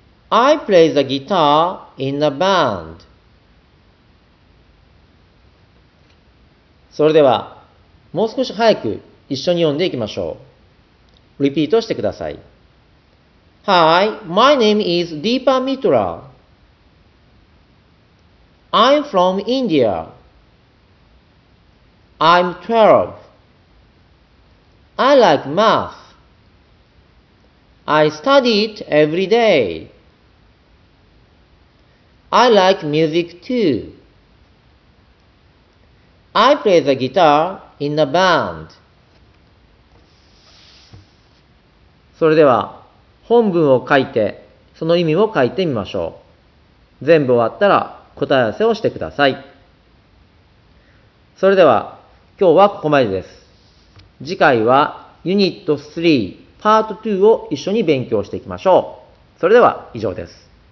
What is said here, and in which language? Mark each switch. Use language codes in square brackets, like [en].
[en] I play the guitar in the band. [ja] それではもう少し早く一緒に読んでいきましょう。リピートしてください。 [en] Hi, my name is Deepa Mitra. I'm from India. I'm 12. I like math. I study it every day. I like music too. I play the guitar in a band. [ja] それでは本文を書いてその意味を書いてみましょう。全部終わったら答え合わせをしてください。それでは今日はここまでです。次回はユニット3パート2を一緒に勉強していきましょう。それでは以上です。